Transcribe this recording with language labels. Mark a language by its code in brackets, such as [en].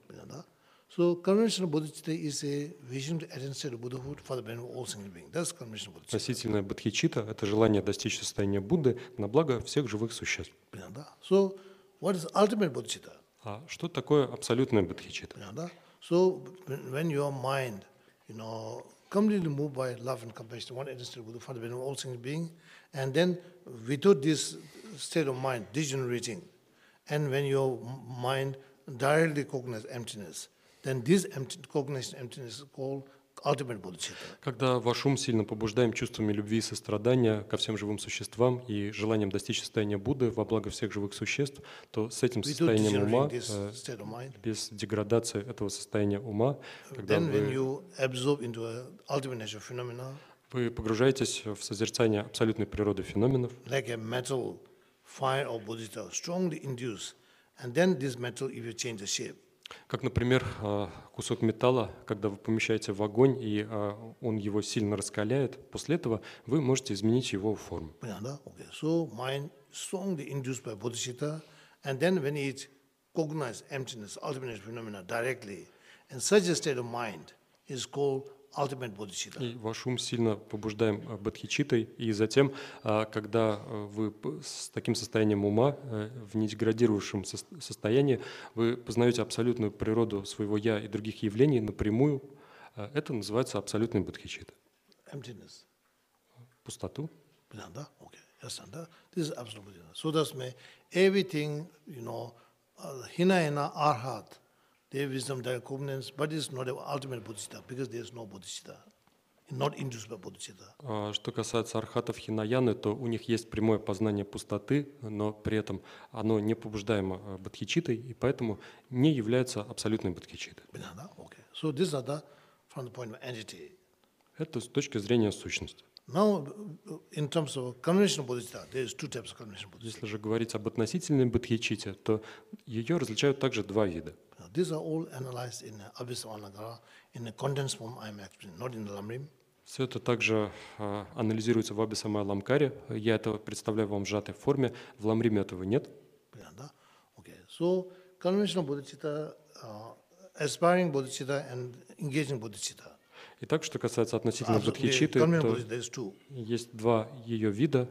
[ru] Понятно? [en] So conventional bodhicitta is a vision to attain state of Buddhahood for the benefit of all sentient beings. That's conventional bodhicitta. [ru] Относительная бодхичитта – это желание достичь состояния Будды на благо всех живых существ. Понятно, да? [en] So what is ultimate bodhicitta? [ru] А что такое абсолютная бодхичитта? Понятно, да? [en] So when your mind, you know, completely moved by love and compassion, one attains state of Buddhahood for the benefit of all sentient beings, and then without this state of mind degenerating, and when your mind directly cognizes emptiness, then this cognition emptiness is called ultimate bodhicitta. [ru] Когда ваш ум сильно побуждаем чувствами любви и сострадания ко всем живым существам и желанием достичь состояния Будды во благо всех живых существ, то с этим состоянием ума, без деградации этого состояния ума, вы погружаетесь в созерцание абсолютной природы феноменов, [en] like a metal fire of bodhicitta strongly induced, and then this metal if you change the shape. [ru] Как, например, кусок металла, когда вы помещаете в огонь, и он его сильно раскаляет, после этого вы можете изменить его форму. Понятно, да? Okay. [en] So mind strongly induced by bodhicitta, and then when it cognizes emptiness, ultimate phenomena directly, and such a state of mind is called ultimate bodhicitta. [ru] И ваш ум сильно побуждаем бодхичиттой, и затем, когда вы с таким состоянием ума, в недеградирующем состоянии, вы познаете абсолютную природу своего «я» и других явлений напрямую, это называется абсолютный бодхичитта. [en] Emptiness. [ru] Пустоту. [en] Да, okay. Yes, and this is absolute. So that's me. Everything, you know, hinayana, arhat, they have wisdom, they have covenants, but it's not the ultimate bodhicitta because there is no bodhicitta. Not induced by bodhicitta. [ru] Что касается архатов хинаяны, то у них есть прямое познание пустоты, но при этом оно не побуждаемо бодхичиттой, и поэтому не является абсолютной бодхичиттой. Да, okay. [en] So this is the, from the point of entity. [ru] Это с точки зрения сущности. [en] Now, in terms of conventional bodhicitta, there is two types of conventional bodhicitta. [ru] Если же говорить об относительной бодхичитте, то ее различают также два вида. [en] These are all analyzed in Abhisamanagara, in a condensed form I am explaining, not in the Lamrim. [ru] Все это также анализируется в Абхисамаяламкаре. Я это представляю вам в сжатой форме. В Ламриме этого нет. [en] Да? Okay. So, conventional bodhicitta, aspiring bodhicitta and engaging bodhicitta. [ru] Итак, что касается относительно бодхичитты, то есть два ее вида.